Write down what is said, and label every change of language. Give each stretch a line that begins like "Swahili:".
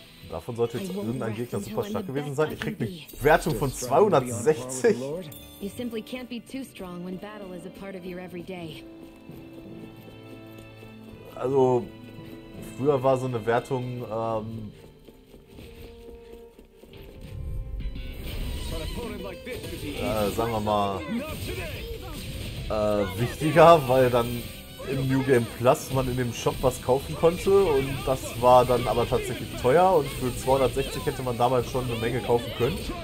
German: Davon sollte jetzt irgendein Gegner super stark gewesen sein. Ich krieg eine Wertung von 260.
English: You simply can't be too strong when battle is a part of your everyday.
German: Also, früher war so eine Wertung, sagen wir mal, wichtiger, weil dann im New Game Plus man in dem Shop was kaufen konnte und das war dann aber tatsächlich teuer und für 260 hätte man damals schon eine Menge kaufen können.